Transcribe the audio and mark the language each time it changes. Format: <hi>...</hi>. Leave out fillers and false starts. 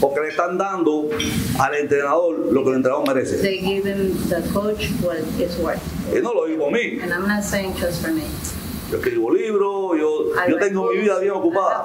<es>Porque le están dando al entrenador lo que el entrenador merece.</es> <en>They give him the coach what is worth.</en> <es>Y no lo digo a mí.</es> <en>And I'm not saying just for me.</en> <es>Yo escribo libros, yo tengo mi vida bien ocupada.</es>